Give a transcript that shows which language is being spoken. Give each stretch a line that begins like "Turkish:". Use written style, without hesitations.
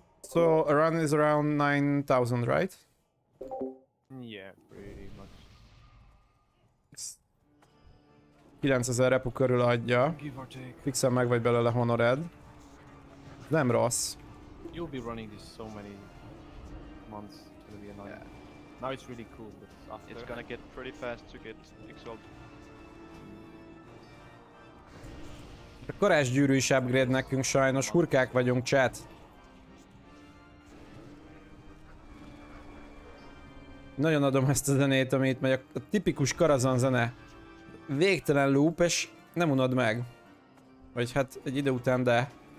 English: So, a run is around 9000, right? Yeah, pretty much.
Hungarian: 9000 repu körül adja. Fixen meg vagy belőle honored. Nem rossz.
English: You'll be running this so many months. It's gonna be annoying. Yeah. Now it's really cool, but it's after. It's gonna get pretty fast to get exalt.
Hungarian: A korás gyűrű is upgrade nekünk sajnos. Hurkák vagyunk, chat. Nagyon adom ezt a zenét, ami itt megy. A tipikus Karazan zene. Végtelen loop, és nem unod meg. Vagy hát egy idő után, de...